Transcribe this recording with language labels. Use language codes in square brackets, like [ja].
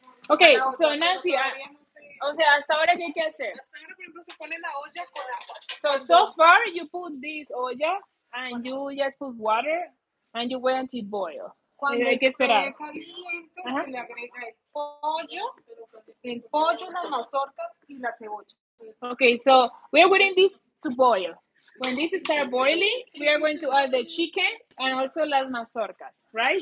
[es] Okay, so Nancy, o sea, hasta ahora qué hay que hacer? Hasta ahora, por ejemplo, se pone la olla con agua. [en] So far you put this olla and you just put water and you wait until it boils. [es] Cuando hay que esperar. Caliente, se le agrega el pollo, las mazorcas y la cebolla. [en] Okay, so we are waiting this to boil. When this starts boiling, we are going to add the chicken and also las mazorcas, right?